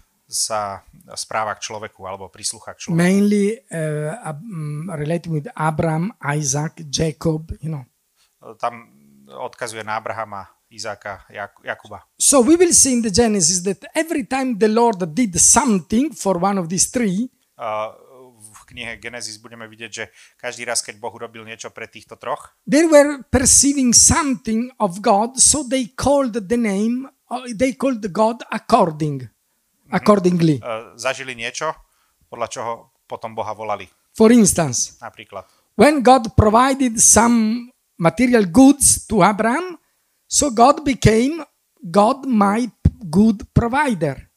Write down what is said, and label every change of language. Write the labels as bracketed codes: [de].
[sk] sa správa k človeku alebo prislúcha k človeku. [en] Mainly related with Abraham, Isaac, Jacob, you know. [sk] Tam odkazuje na Abrahama, Izáka, Jakuba. [en] So we will see in the Genesis that every time the Lord did something for one of these three, [sk] v knihe Genesis budeme vidieť, že každý raz, keď Boh urobil niečo pre týchto troch, [en] they were perceiving something of God, so they called the name, they called God accordingly. [sk] Zažili niečo, podľa čoho potom Boha volali. [en] For instance, [sk] napríklad, [en] when God provided some material goods to Abraham, so God became God my good provider.